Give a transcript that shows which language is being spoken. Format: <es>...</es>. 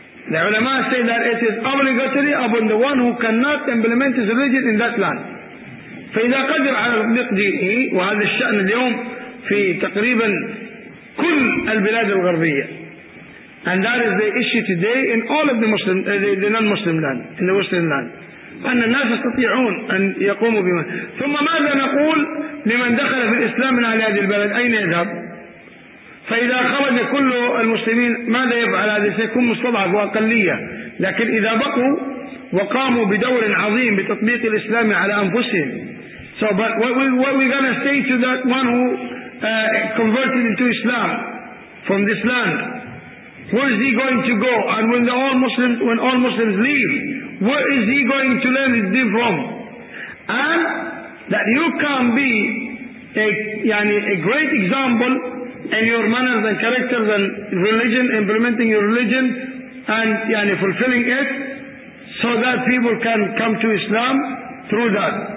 <en>العلماء say that it is obligatory upon the one who cannot implement his religion in that land.</en> <ar>فإذا قدر على تطبيق دينه، وهذا الشأن اليوم في تقريبا كل البلاد الغربية،</ar> <en>and that is the issue today in all of the Muslim, the non-Muslim land, in the Western land.</en> <ar>أن الناس يستطيعون أن يقوموا بما. ثم ماذا نقول لمن دخل في الإسلام من أهل هذه البلد؟ أين يذهب؟ فإذا خرج كل المسلمين ماذا يفعل؟ هذا سيكون مستضعف وأقلية. لكن إذا بقوا وقاموا بدور عظيم بتطبيق الإسلام على أنفسهم.</ar> <en>So but what we gonna say to that one who converted into Islam from this land? Where is he going to go? And when all Muslims leave, where is he going to learn his deen from? And that you can be a great example in your manners and characters and religion, implementing your religion and fulfilling it, so that people can come to Islam through that.</en>